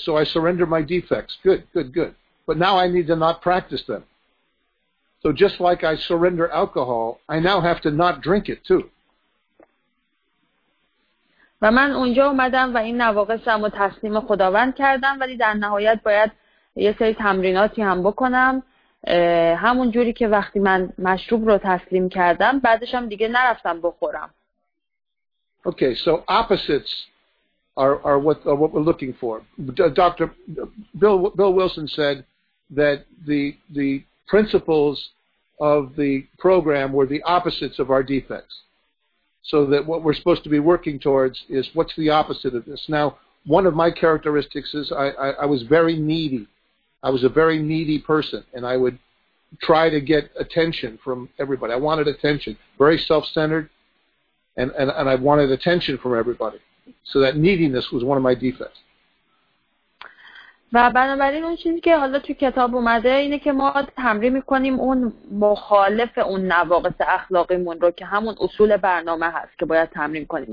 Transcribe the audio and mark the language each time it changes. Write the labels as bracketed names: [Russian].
[English] So I surrender my defects. Good, good, good. But now I need to not practice them. So just like I surrender alcohol, I now have to not drink it too. [Persian] و من اونجا اومدم و این نواقصم رو تسلیم خداوند کردم، ولی در نهایت باید یه سری تمریناتی هم بکنم، همون جوری که وقتی من مشروب رو تسلیم کردم بعدش هم دیگه نرفتم بخورم. [English] Okay, so opposites are what we're looking for. Dr. Bill Wilson said that the principles of the program were the opposites of our defects. So that what we're supposed to be working towards is what's the opposite of this. Now, one of my characteristics is I was very needy. I was a very needy person, and I would try to get attention from everybody. I wanted attention, very self-centered, and I wanted attention from everybody. So that neediness was one of my defects. [Persian] و بنابراین اون چیزی که حالا تو کتاب اومده اینه که ما تمرین میکنیم اون مخالف اون نواقص اخلاقیمون رو که همون اصول برنامه هست که باید تمرین کنیم.